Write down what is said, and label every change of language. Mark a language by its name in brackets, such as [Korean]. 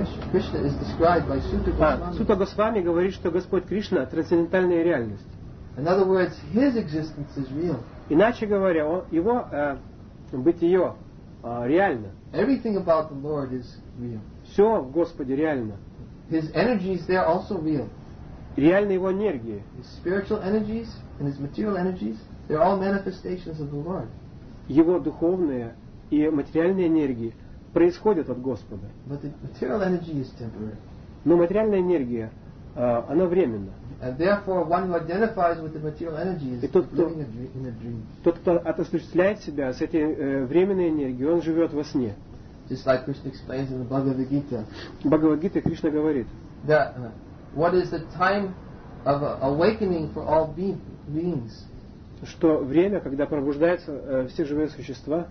[English] Krishna is described by Śuddha Gosvāmī. [Russian] Śuddha Gosvāmī говорит, что Господь Кришна – трансцендентальная реальность. [English] In other words, his existence is real. [Russian] Иначе говоря, его бытие реально. [English] Everything about the Lord is real. [Russian] Все в Господе реально. [English] His energies, they are also real. [Russian] Реальны его энергии. [English] His spiritual energies and his material energies, they are all manifestations of the Lord. [Russian] Его духовные и материальные энергии происходят от Господа. [English] But the material energy is temporary. [Russian] Но материальная энергия, она временна. [English] And therefore, one who identifies with the material energy is living in a dream. [Russian] Тот, кто отождествляет себя с этой временной энергией, он живет во сне. [English] Just like Krishna explains in the Bhagavad Gita. [Russian] В Бхагавад Гите Кришна говорит. Да. [English] What is the time of awakening for all beings? [Russian] Что время, когда пробуждаются все живые существа?